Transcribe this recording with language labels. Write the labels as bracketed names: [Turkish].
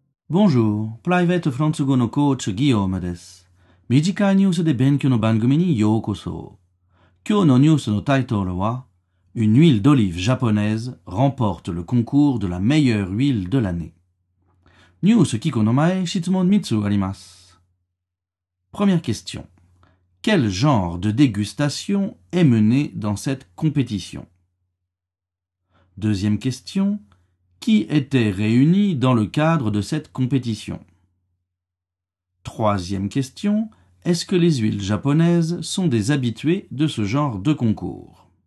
[Japanese] Bonjour, Private France 語のコーチ、ギヨームです。短いニュースで勉強の番組にようこそ。今日のニュースのタイトルは、 [French] Une huile d'olive japonaise remporte le concours de la meilleure huile de l'année。 [Japanese] ニュース聞くの前、質問3つあります。 [French] Première question. Quel genre de dégustation est mené dans cette compétition? Deuxième question. Qui étaient réunis dans le cadre de cette compétition? Troisième question, est-ce que les huiles japonaises sont des habitués de ce genre de concours?